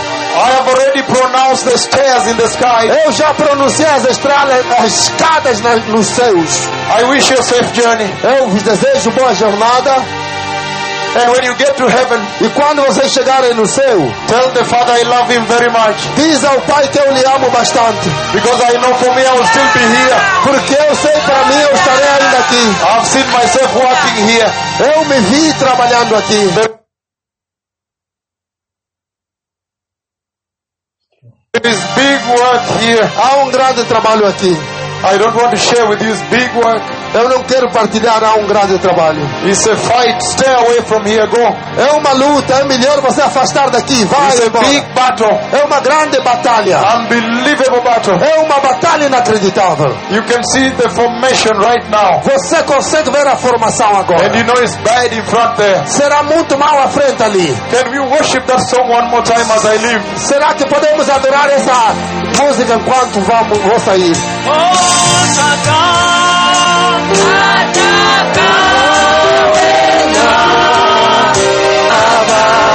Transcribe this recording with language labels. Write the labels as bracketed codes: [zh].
[en] I have already pronounced the stairs in the sky. [pt] Eu já pronunciei as estradas, as escadas nos céus. [en] I wish you a safe journey. [pt] Eu vos desejo boa jornada. [en] And when you get to heaven, [pt] e quando vocês chegarem no céu, [en] tell the Father I love him very much. [pt] Diz ao Pai que eu lhe amo bastante. [en] Because I know for me I will still be here. [pt] Porque eu sei para mim eu estarei ainda aqui. [en] I've seen myself working here. [pt] Eu me vi trabalhando aqui. [en] It is big work here. [pt] Há grande trabalho aqui. [en] I don't want to share with you this big work. [pt] Eu não quero partilhar grande trabalho. [en] It's a fight. Stay away from here. Go. [pt] É uma luta. É melhor você afastar daqui. Vai. [en] A big battle. [pt] É uma grande batalha. [en] Unbelievable battle. [pt] É uma batalha inacreditável. [en] You can see the formation right now. [pt] Você consegue ver a formação agora. [en] And you know it's bad in front there. [pt] Será muito mal à frente ali. [en] Can we worship that song one more time as I leave? [pt] Será que podemos adorar essa música enquanto vou sair? Oh, ataca o Edão Abá,